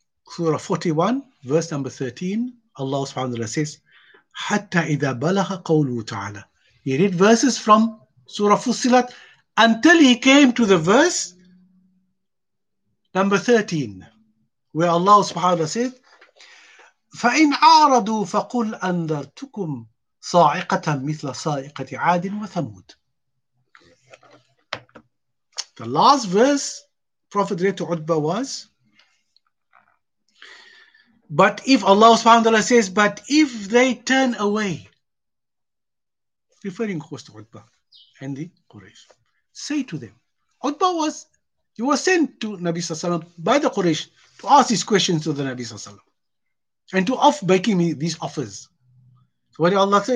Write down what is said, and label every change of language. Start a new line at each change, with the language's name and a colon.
English: Surah 41, verse number 13, Allah subhanahu wa ta'ala says,
Arabic: حَتَّى إِذَا بَلَغَ قَوْلُهُ تَعَالَى.
English: He read verses from Surah Fussilat until he came to the verse number 13. Where Allah subhanahu wa ta'ala said,
Arabic: فَإِنْ عَارَضُوا فَقُلْ أَنذَرْتُكُمْ صَاعِقَةً مِثْلَ صَاعِقَةِ عَادٍ وَثَمُودٍ.
English: The last verse Prophet read to Utbah was, but if Allah subhanahu wa ta'ala says, but if they turn away, referring of course to Utbah and the Quraysh, say to them, Utbah was, he was sent to Nabi sallallahu alayhi wa sallam by the Quraysh to ask these questions to the Nabi sallallahu alayhi wa sallam and to offer making me these offers. So what did Allah say?